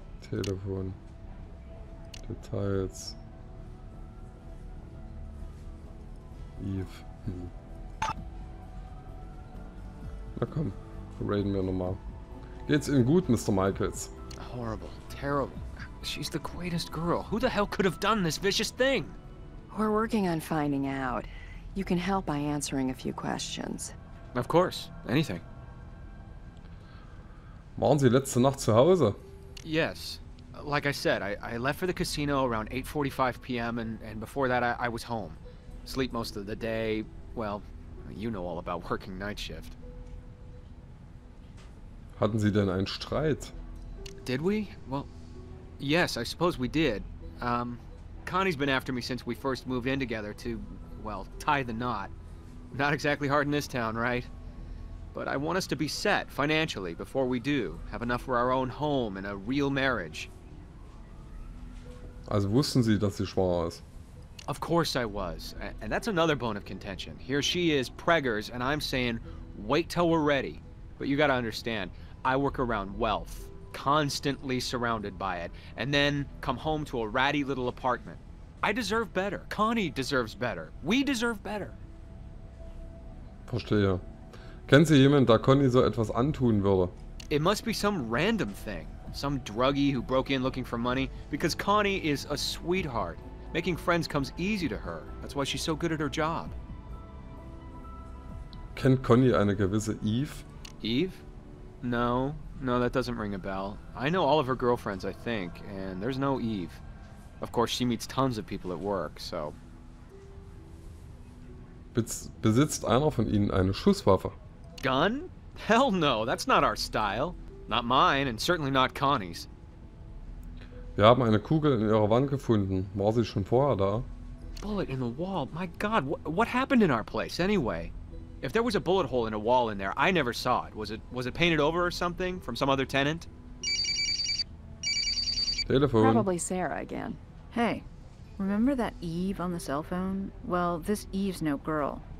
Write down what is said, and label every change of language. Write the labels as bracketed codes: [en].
[de] Telefon. Details. Eve. Na komm, raiden wir nochmal. Geht's Ihnen gut, Mr. Michaels? [en] Horrible, terrible. She's the greatest girl. Who the hell could have done this vicious thing? We're working on finding out. You can help by answering a few questions. Of course, anything. [de] Waren Sie letzte Nacht zu Hause? [en] Yes. Like I said, I left for the casino around 8:45 PM and before that I was home. Sleep most of the day. Well, you know all about working night shift. [de] Hatten Sie denn einen Streit? [en] Did we? Well, yes, I suppose we did. Connie's been after me since we first moved in together to, well, tie the knot. Not exactly hard in this town, right? But I want us to be set financially before we do, have enough for our own home and a real marriage. [de] Also wussten Sie, dass sie schwanger ist? [en] Of course I was. And that's another bone of contention. Here she is, preggers, and I'm saying, wait till we're ready. But you gotta understand, I work around wealth, constantly surrounded by it, and then come home to a ratty little apartment. I deserve better. Connie deserves better. We deserve better. [de] Verstehe. Kennen Sie jemanden, der Connie so etwas antun würde? [en] It must be some random thing. Some druggie who broke in looking for money. Because Connie is a sweetheart. Making friends comes easy to her. That's why she's so good at her job. [de] Kennt Connie eine gewisse Eve? [en] Eve? No, no, that doesn't ring a bell. I know all of her girlfriends, I think, and there's no Eve. Of course, she meets tons of people at work, so... [de] Besitzt einer von Ihnen eine Schusswaffe? [en] Gun? Hell no, that's not our style. Not mine, and certainly not Connie's. [de] Wir haben eine Kugel in ihrer Wand gefunden. War sie schon vorher da? [en] Bullet in the wall. My God, what happened in our place anyway? If there was a bullet hole in a wall in there, I never saw it. Was it painted over or something from some other tenant? [de] Telefon. [en] Probably Sarah again. Hey, remember that Eve on the cell phone? Well, this Eve's no girl.